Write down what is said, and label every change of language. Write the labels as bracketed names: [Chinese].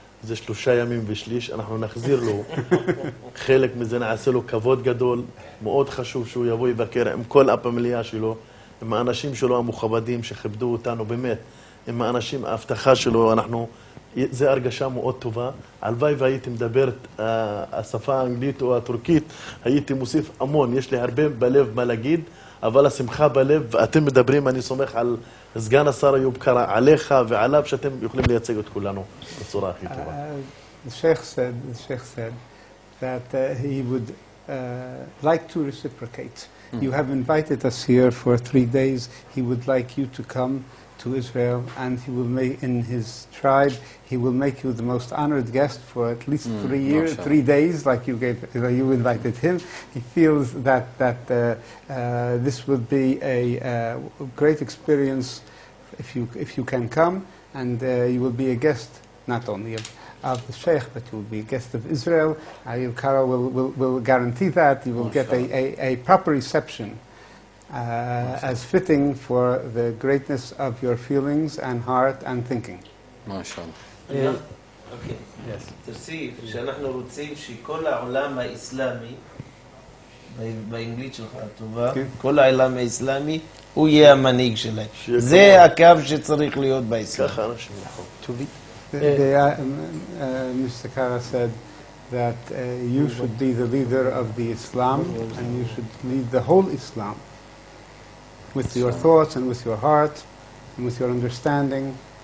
[Hebrew] זה שלושה ימים ושליש, אנחנו נחזיר לו חלק מזה, נעשה לו כבוד גדול, מאוד חשוב שהוא יבוא יבקר עם כל הפמליה שלו, עם האנשים שלו המוכבדים שכיבדו אותנו באמת, עם האנשים, ההבטחה שלו, אנחנו, זה הרגשה מאוד טובה, הלוואי והייתי מדברת השפה האנגלית או הטורקית, הייתי מוסיף המון, יש לי הרבה בלב מה להגיד, אבל השמחה בלב, ואתם מדברים, אני סומך על סגן השר איוב קרא, עליך ועליו, שאתם יכולים לייצג את כולנו בצורה הכי טובה. [English] The Sheikh said that he would like to reciprocate. You have invited us here for 3 days. He would like you to come to Israel, and he will make in his tribe, he will make you the most honored guest for at least 3 years, sure. 3 days, like you gave, like you invited him. He feels that this would be a great experience if you can come, and you will be a guest not only of the Sheikh, but you will be a guest of Israel. Ayub Karo will guarantee that you will get a proper reception. As fitting for the greatness of your feelings and heart and thinking. [Turkish] Maşallah. [Hebrew] תוסיף שאנחנו רוצים שכל העולם האסלאמי, באנגלית שלך הטובה, כל העולם האסלאמי הוא יהיה המנהיג שלהם. זה הקו שצריך להיות באסלאמי. ככה אנשים נכון. טובי. Mr. [English] Kara said that you should be the leader of the Islam and you should lead the whole Islam with your thoughts and with your heart and with your understanding.